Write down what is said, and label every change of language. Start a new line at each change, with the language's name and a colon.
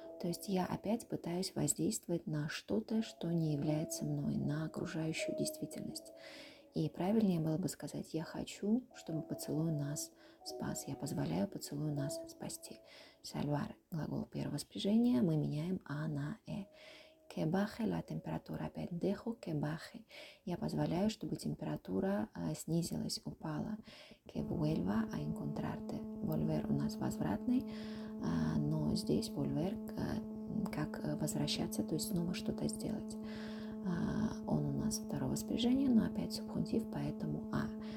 Russian: То есть я опять пытаюсь воздействовать на что-то, что не является мной, на окружающую действительность. И правильнее было бы сказать «я хочу, чтобы поцелуй нас спас», «я позволяю поцелуй нас спасти». Salvar – глагол первого спряжения, мы меняем «а» на «э».
Spanish: Que baje la temperatura –
Russian: опять
Spanish: «dejo que baje».
Russian: Я позволяю, чтобы температура снизилась, упала.
Spanish: Que vuelva a encontrarte
Russian: – volver у нас возвратный, но здесь volver как возвращаться, то есть снова что-то сделать. Он у нас второго спряжения, но опять субхунтив, поэтому «а».